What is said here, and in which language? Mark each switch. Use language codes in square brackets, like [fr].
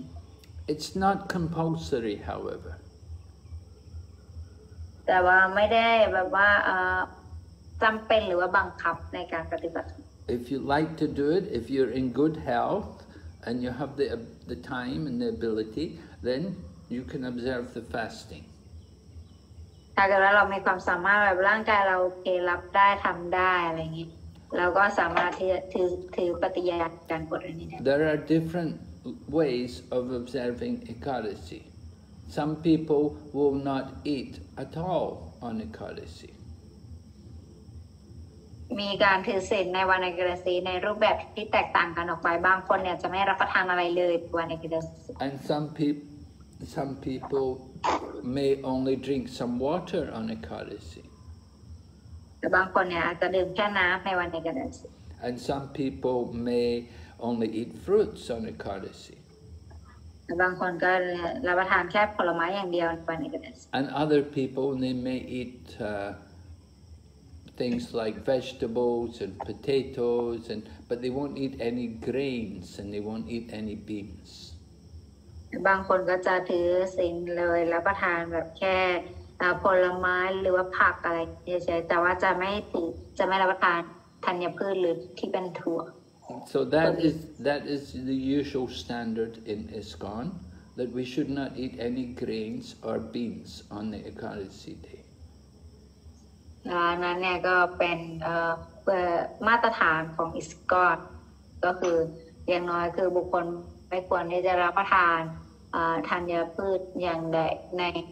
[en] It's not compulsory, however. [th] แต่ว่าไม่ได้แบบว่าจำเป็นหรือว่าบังคับในการปฏิบัติ [en] If you like to do it, if you're in good health and you have the time and the ability, then you can observe the fasting. [th] ถ้าเกิดว่าเรามีความสามารถแบบร่างกายเราโอเครับได้ทำได้อะไรอย่างนี้เราก็สามารถถือปฏิญาณการบวชอันนี้ได้ [en] There are different ways of observing Ekadasi. Some people will not eat at all on Ekadasi. [th] มีการถือศีลในวันเอกราชีในรูปแบบที่แตกต่างกันออกไปบางคนเนี่ยจะไม่รับประทานอะไรเลยวันเอกราชี [en] And some people may only drink some water on Ekadasi. [th] บางคนเนี่ยอาจจะดื่มแค่น้ำในวันเอกราชี [en] And some people may only eat fruits on Ekadasi. [th] บางคนก็รับประทานแค่ผลไม้อย่างเดียวในวันเอกราชี [en] And other people they may eat things like vegetables and potatoes and but they won't eat any grains and they won't eat any beans. [th] บางคนก็จะถือศีลเลยรับประทานแบบแค่ผลไม้หรือว่าผักอะไรเฉยๆแต่ว่าจะไม่รับประทานธัญพืชหรือที่เป็นถั่ว [en] So that is the usual standard in ISKCON that we should not eat any grains or beans on the Ekadasi day [th] นั่นเนี่ยก็เป็นมาตรฐานของ ISKCON ก็คืออย่างน้อยคือบุคคลไม่ควรที่จะรับประทานธัญพืชอย่างใดใน